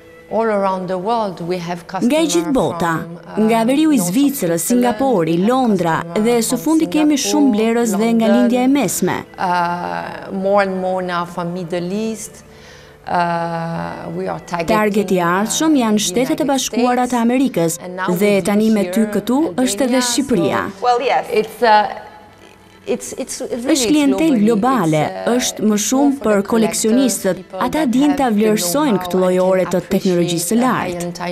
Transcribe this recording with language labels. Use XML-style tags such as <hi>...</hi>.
<en>All around the world we have customers.</en> <sq>Nga gjithë bota, nga veriu i Zvicrës, Singapori, Londra dhe së fundi kemi shumë blerës dhe nga lindja e mesme.</sq> <en>More and more now from Middle East. We are targeting.</en> <sq>Targeti i ardhshëm janë Shtetet e Bashkuara të Amerikës dhe tani me ty këtu është edhe Shqipëria.</sq> <en>Well yes.</en> <sq>Është klientel globale, është më shumë për koleksionistët. Ata dinë ta vlerësojnë këtë lloj ore të teknologjisë së lartë.</sq>